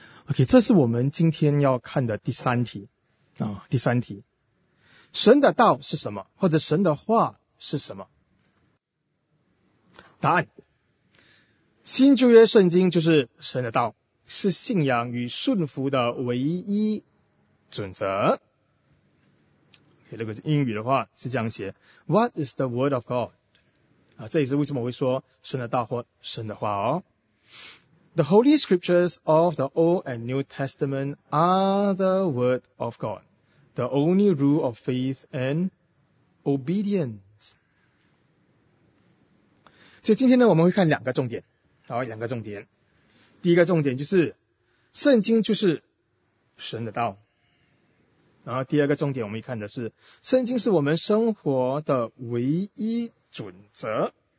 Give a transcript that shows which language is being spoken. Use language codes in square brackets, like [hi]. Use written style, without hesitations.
[zh] OK， 这是我们今天要看的第三题啊、哦，第三题，神的道是什么，或者神的话是什么？答案：新旧约圣经就是神的道，是信仰与顺服的唯一准则。 Okay, 如果是英语的话是这样写 [en] What is the word of God? [zh] 啊、这也是为什么我会说神的道或神的话哦。 [en] The Holy Scriptures of the Old and New Testament are the Word of God, the only rule of faith and obedience. [zh] 所以今天呢，我们会看两个重点，好，两个重点。第一个重点就是圣经就是神的道，然后第二个重点我们会看的是圣经是我们生活的唯一准则。